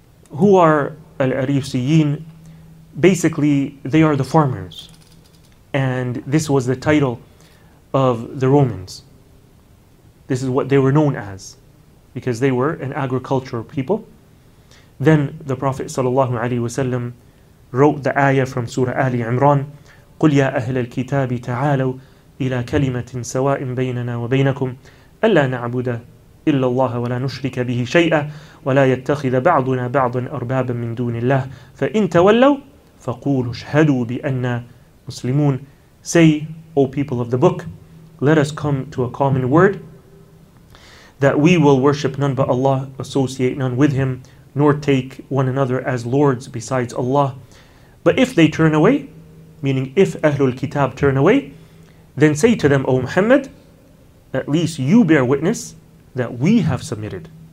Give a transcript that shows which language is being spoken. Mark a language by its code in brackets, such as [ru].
[en] Who are Al-Arisiyin? Basically, they are the farmers. And this was the title of the Romans. This is what they were known as, because they were an agricultural people. Then the Prophet sallallahu alaihi wasallam wrote the ayah from Surah Ali Imran, [ar] قُلْ يَا أَهْلَ الْكِتَابِ تَعَالَوْا إِلَى كَلِمَةٍ سَوَاءٍ بَيْنَنَا وَبَيْنَكُمْ أَلَّا نَعْبُدَ إلا الله ولا نشرك به شيئا ولا يتخذ بعضنا بعضا أربابا من دون الله فإن تولوا فقولوا اشهدوا بأننا مسلمون. [en] Say, O people of the book, let us come to a common word that we will worship none but Allah, associate none with Him, nor take one another as lords besides Allah. But if they turn away, meaning if Ahlul Kitab turn away, then say to them, O Muhammad, at least you bear witness that we have submitted.